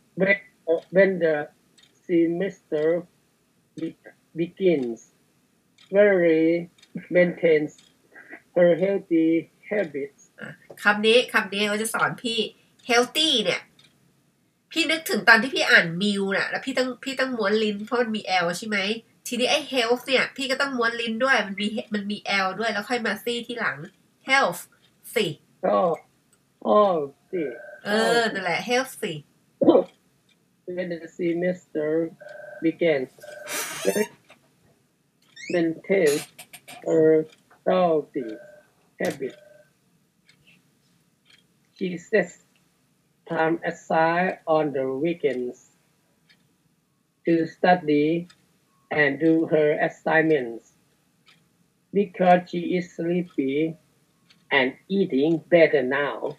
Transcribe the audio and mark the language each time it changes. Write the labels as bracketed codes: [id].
[en] when the semester begins very maintains her healthy habits [th] คำนี้เราจะสอนพี่ healthy เนี่ยพี่นึกถึงตอนที่พี่อ่านมิวน่ะแล้วพี่ต้องม้วนลิ้นเพราะมันมี L ใช่ไหมทีนี้ไอ้ health เนี่ยพี่ก็ต้องม้วนลิ้นด้วยมันมี L ด้วยแล้วค่อยมาซีที่หลัง health สี่อ๋อสี่เออนั่นแหละ health สี่ [en] when the semester begins maintain her healthy habit she sets time aside on the weekends to studyand do her assignments because she is sleepy and eating better now